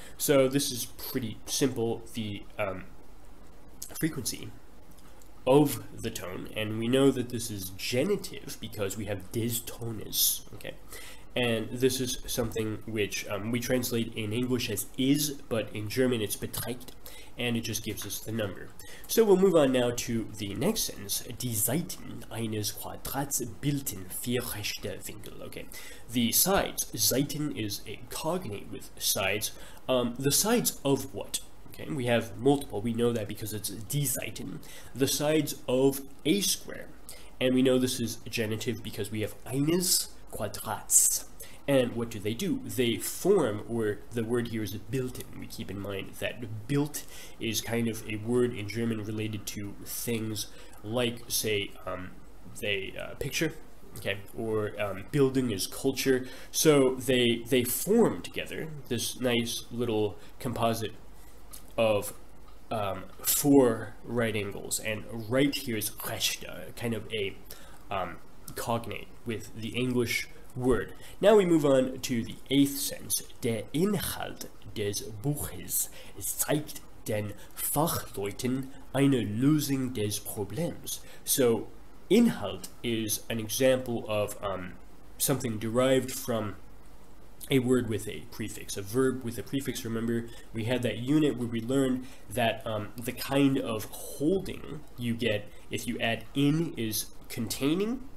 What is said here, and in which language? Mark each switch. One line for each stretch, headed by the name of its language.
English: So this is pretty simple. The frequency of the tone, and we know that this is genitive because we have des Tones, okay? And this is something which we translate in English as is, but in German it's beträgt, and it just gives us the number. So we'll move on now to the next sentence.
German: Die Seiten eines Quadrats bilden vier rechte Winkel.
English: Okay, the sides. Seiten is a cognate with sides. The sides of what? Okay, we have multiple. We know that because it's die Seiten. The sides of a square. And we know this is genitive because we have eines Quadrats. And what do? They form, or the word here is bilden. We keep in mind that bild is kind of a word in German related to things like, say, picture, okay, or building is culture. So they form together this nice little composite of four right angles. And right here is rechte, kind of a cognate with the English word. Now we move on to the eighth sense.
German: Der Inhalt des Buches zeigt den Fachleuten eine Lösung des Problems.
English: So, Inhalt is an example of something derived from a word with a prefix, a verb with a prefix. Remember, we had that unit where we learned that the kind of holding you get if you add in is containing.